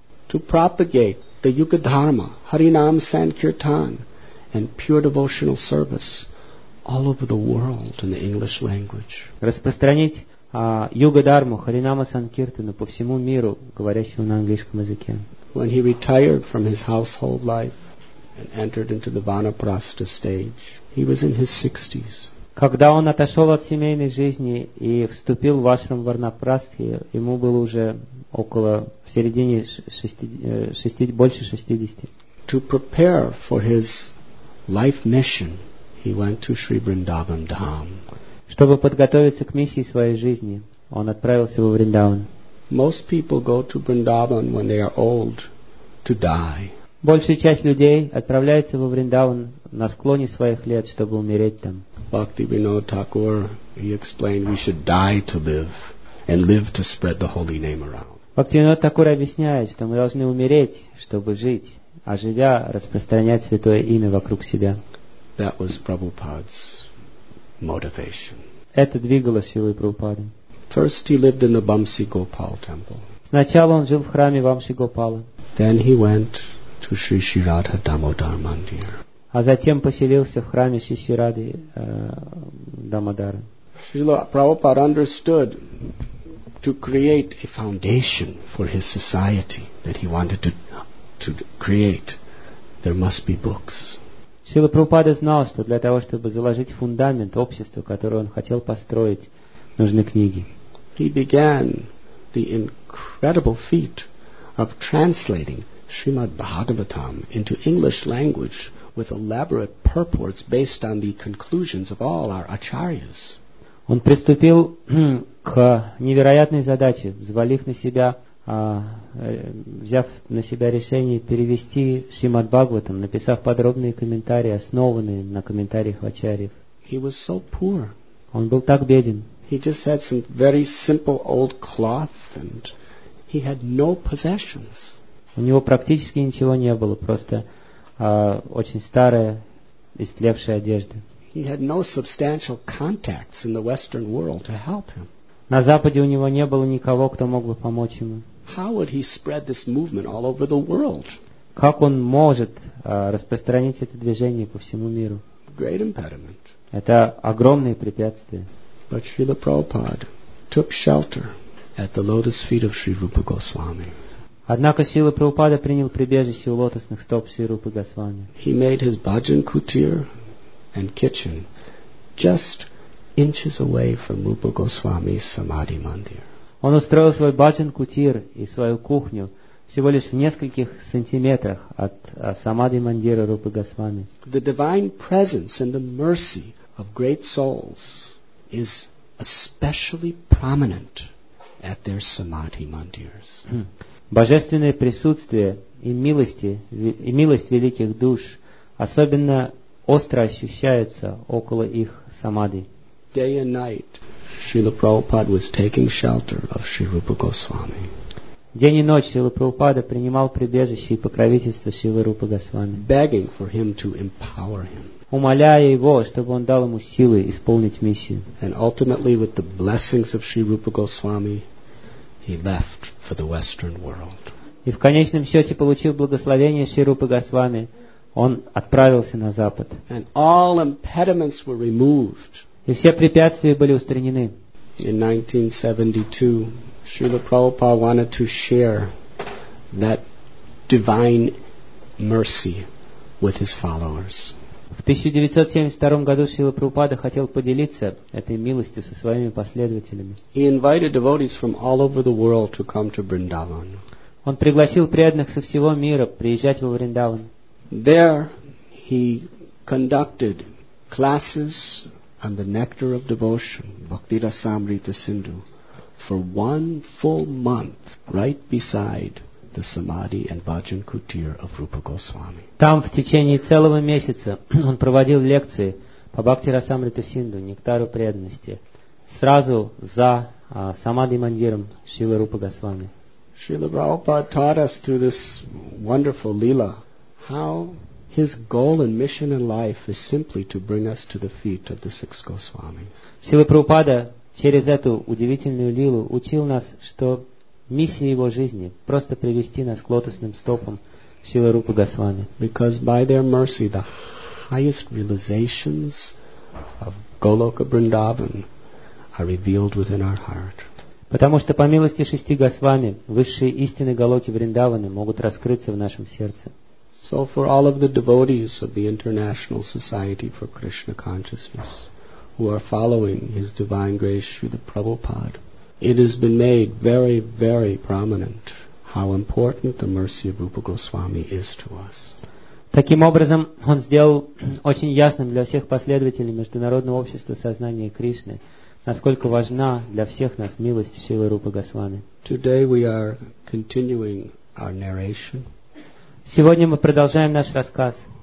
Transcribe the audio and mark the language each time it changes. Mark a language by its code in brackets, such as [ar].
[en] To propagate the Yuga Dharma, Harinam Sankirtan, and pure devotional service all over the world in the English language. [ru] Распространить Юга Дарму, Харинама Санкиртану по всему миру, говорящему на английском языке. [en] When he retired from his household life and entered into the Vanaprastha stage, he was in his 60s. [ru] Когда он отошел от семейной жизни и вступил в ашрам Варнапрастхи, ему было уже около в середине больше 60. [en] To prepare for his life mission, he went to Sri Vrindavan Dham. [ru] Чтобы подготовиться к миссии своей жизни, он отправился во Вриндаван. [en] Most people go to Vrindavan when they are old to die. [ru] Большая часть людей отправляется во Вриндаван на склоне своих лет, чтобы умереть там. [en] Bhaktivinoda Thakur, he explained, we should die to live and live to spread the holy name around. [ru] Bhaktivinoda Thakur объясняет, что мы должны умереть, чтобы жить, а живя распространять святое имя вокруг себя. [en] That was Prabhupada's motivation. [ru] Это двигало силой Прабхупады. [en] First he lived in the Bamsi Gopal temple. [ru] Сначала он жил в храме Бамси Гопала. [en] Then he went to Sri Shirada Damodar Mandir. [ru] А затем поселился в храме Шри Ширады Дамодара. [en] Srila Prabhupada understood to create a foundation for his society that he wanted to create, there must be books. [ru] Srila Prabhupada знал, что для того, чтобы заложить фундамент общества, которое он хотел построить, нужны книги. [en] He began the incredible feat of translating Srimad Bhagavatam into English language with elaborate purports based on the conclusions of all our acharyas. [ru] Он приступил к невероятной задаче, взвалив на себя, взяв на себя решение перевести Шримад Бхагаватам, написав подробные комментарии, основанные на комментариях ачарьев. [en] He was so poor. [ru] Он был так беден. [en] He just had some very simple old cloth and he had no possessions. [ru] У него практически ничего не было, просто очень старая, истлевшая одежда. [en] He had no substantial contacts in the Western world to help him. [ru] На Западе у него не было никого, кто мог бы помочь ему. [en] How would he spread this movement all over the world? [ru] Как он может распространить это движение по всему миру? [en] Great impediment. [ru] Это огромное препятствие. [en] But Srila Prabhupada took shelter at the lotus feet of Sri Rupa Goswami. [ru] Однако Сила Прабхупада принял прибежище у лотосных стоп Сри Рупы Госвами. [en] He made his bhajan kutir and kitchen just inches away from Rupa Goswami's samadhi mandir. [ru] Он устроил свой bhajan kutir и свою кухню всего лишь в нескольких сантиметрах от самадхи мандира Рупы Госвами. [en] The divine presence and the mercy of great souls is especially prominent at their samadhi mandirs. [ru] Божественное присутствие и милость великих душ особенно остро ощущается около их самадхи. [en] Day and night, Srila Prabhupada was taking shelter of Sri Rupa Goswami. [ru] День и ночь Шрила Прабхупада принимал прибежище и покровительство Шрилы Рупы Госвами, [en] begging for him to empower him, [ru] умоляя его, чтобы он дал ему силы исполнить миссию. [en] And ultimately, with the blessings of Sri Rupa Goswami, he left for the Western world. [ru] И в конечном счете, получив благословение Шри Рупы Госвами, он отправился на Запад. [en] And all impediments were removed. [ru] И все препятствия были устранены. [en] In 1972, Srila Prabhupada wanted to share that divine mercy with his followers. [ru] В 1972 году Шрила Прабхупада хотел поделиться этой милостью со своими последователями. [en] He invited devotees from all over the world to come to Vrindavan. [ru] Он пригласил преданных со всего мира приезжать во Вриндаван. [en] There he conducted classes on the nectar of devotion, Bhakti Rasamrita Sindhu, for one full month, right beside the samadhi and bhajan kutir of Rupa Goswami. [ru] Там в течение целого месяца он проводил лекции по Бхакти Расамриту Синду, нектару преданности, сразу за самадхи мандиром Шрилы Рупы Госвами. [en] Srila Prabhupada taught us through this wonderful lila how his goal and mission in life is simply to bring us to the feet of the six Goswamis. [ru] Srila Prabhupada через эту удивительную лилу учил нас, что миссия его жизни — просто привести нас к лотосным стопам Шрилы Рупы Госвами. [en] Because by their mercy, the highest realizations of Goloka Vrindavan are revealed within our heart. [ru] Потому что по милости шести Госвами высшие истины Голоки Вриндаваны могут раскрыться в нашем сердце. [en] So for all of the devotees of the International Society for Krishna Consciousness, who are following His Divine Grace Srila Prabhupada, it has been made very, very prominent how important the mercy of Rupa Goswami is to us. [ru] Таким образом, он сделал очень ясным для всех последователей Международного общества сознания Кришны, насколько важна для всех нас милость Шрилы Рупы Госвами. [en] Today we are continuing our narration. [ru] Сегодня мы продолжаем наш рассказ.